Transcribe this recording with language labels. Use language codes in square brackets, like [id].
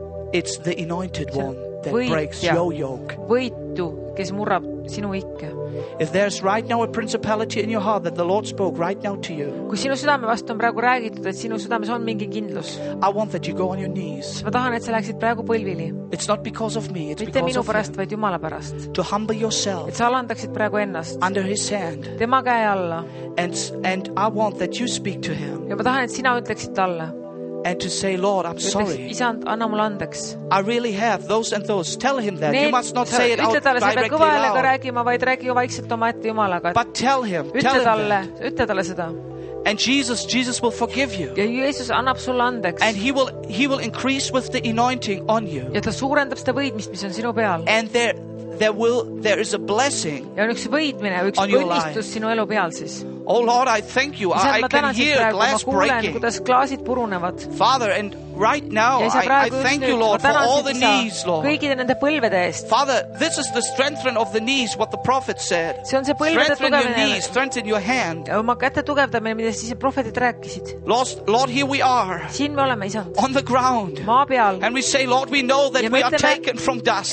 [en] It's the anointed one that breaks your yoke. [et] Võitu, kes murrab sinu ikke. [en] If there's right now a principality in your heart that the Lord spoke right now to you. [et] Kui sinu südame vastu on praegu räägitud, et sinu südames on mingi kindlus. [en] I want that you go on your knees. [et] Ma tahan, et sa läksid praegu põlvili. [en] It's not because of me, it's [et] Mitte [en] because [et] minu pärast, [en] of [et] vaid Jumala pärast. [en] To humble yourself. [et] Et sa alandaksid praegu ennast. [en] Under his hand. [et] Tema käe alla. [en] And I want that you speak to him. [et] Ja ma tahan, et sina ütleksid talle. [en] And to say, Lord, I'm sorry. [et] Isand, anna mul andeks. [en] I really have those and those. Tell him that. You must not say it out [et] ütletale, [en] directly loud. [et] Kõvahele ka räägima, vaid räägi ju vaikselt oma ette Jumalaga. [en] But tell him. [et] Ütle talle seda. [en] And Jesus will forgive you. [et] Ja Jeesus annab sulle andeks. [en] And he will increase with the anointing on you. [et] Ja ta suurendab seda võidmist, mis on sinu peal. [en] And there is a blessing. [et] Ja on üks võidmine, üks õnnistus sinu elu peal siis. [en] Oh Lord, I thank you. [et] Isä, [en] I can hear glass breaking. [et] Kuidas klaasid purunevad. [en] Father, and right now I thank you, Lord, for all the knees, Lord. [et] Kõikide nende põlvede eest. [en] Father, this is the strengthening of the knees, what the prophet said. [et] See on see põlvede [en] strengthen your knees, strengthen your hand. [et] Oma kätte tugevdame, mida siis prohvetid rääkisid. [en] Lord, here we are. [et] Siin me oleme, isa. [en] On the ground. [et] Maa peal. [en] And we say, Lord, we know that we are taken from dust.